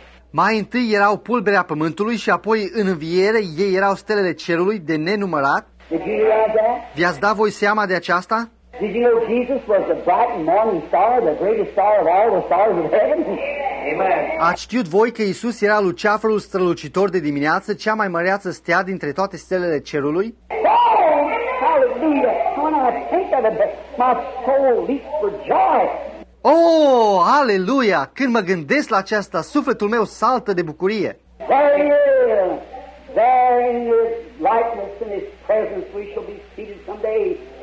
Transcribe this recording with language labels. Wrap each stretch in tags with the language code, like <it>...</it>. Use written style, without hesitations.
<ro>Mai întâi erau pulberea pământului și apoi în înviere ei erau stelele cerului de nenumărat? V-ați dat voi seama de aceasta?</ro> <en>Did you know Jesus was the bright morning star, the greatest star of all the stars of heaven? Amen.</en> <ro>Ați știut voi că Iisus era luceafărul strălucitor de dimineață, cea mai măreață stea dintre toate stelele cerului?</ro> <en>Oh, hallelujah! When I think of it, my soul leaps for joy.</en> <ro>Oh, aleluia! Când mă gândesc la aceasta, sufletul meu saltă de bucurie.</ro> <en>There he is! There in his likeness, in his presence, we shall be seated someday.</en>